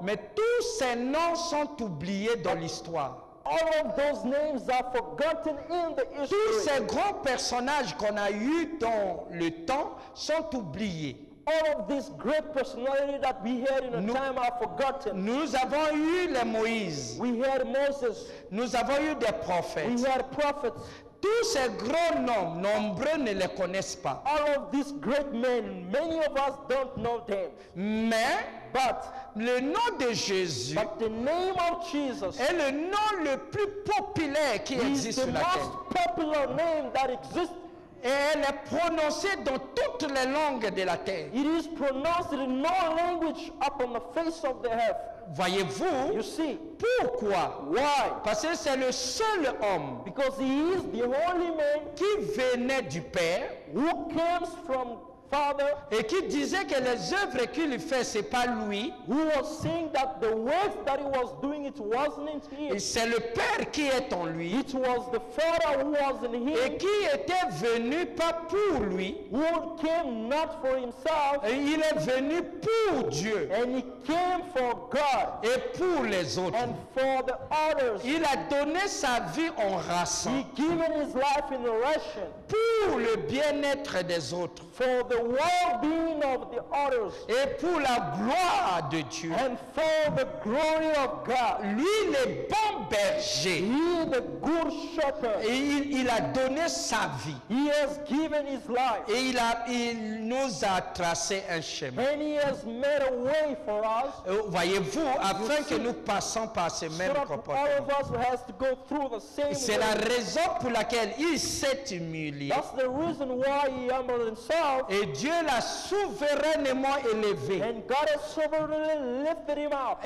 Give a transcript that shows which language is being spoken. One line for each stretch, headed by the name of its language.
French: Mais tous ces noms sont oubliés dans l'histoire.
English: All of those names are forgotten in the history.
French: Tous ces grands personnages qu'on a eu dans le temps sont oubliés.
English: All of these great personalities that we had in a time are forgotten.
French: Nous avons eu les Moïse.
English: We had Moses.
French: Nous avons eu des prophètes.
English: We had prophets.
French: Tous ces grands noms, nombreux ne les connaissent pas.
English: All of these great men, many of us don't know them.
French: Mais,
English: but,
French: le nom de Jésus,
English: but the name of Jesus,
French: est le nom le plus populaire qui existe sur la terre.
English: Is the most popular name that exists.
French: Et elle est prononcée dans toutes les langues de la terre.
English: It is pronounced in all language upon the face of the earth.
French: Voyez-vous?
English: You see.
French: Pourquoi?
English: Why?
French: Parce que c'est le seul homme.
English: Because he is the only man.
French: Qui venait du Père.
English: Who comes from Father,
French: et qui disait que les œuvres qu'il fait, c'est pas lui.
English: Who was saying that the works that he was doing, it wasn't him.
French: Et c'est le Père qui est en lui.
English: It was the Father who was in him.
French: Et qui était venu pas pour lui.
English: Who came not for himself.
French: Et il est venu pour Dieu.
English: And he came for God.
French: Et pour les autres.
English: And for the others.
French: Il a donné sa vie en ration.
English: He given his life in ration.
French: Pour le bien-être des autres.
English: For the well-being of the others.
French: Et pour la gloire de Dieu.
English: And for the glory of God.
French: Lui, le bon berger.
English: He, the good shepherd.
French: Et il a donné sa vie.
English: He has given his life.
French: Et il nous a tracé un chemin.
English: And he has made a way for us.
French: Voyez-vous, afin que nous passions par ce même comportement. C'est la raison pour laquelle il s'est humilié.
English: That's the reason why he humbled himself.
French: Et Dieu l'a souverainement élevé.
English: And God has sovereignly lifted him up.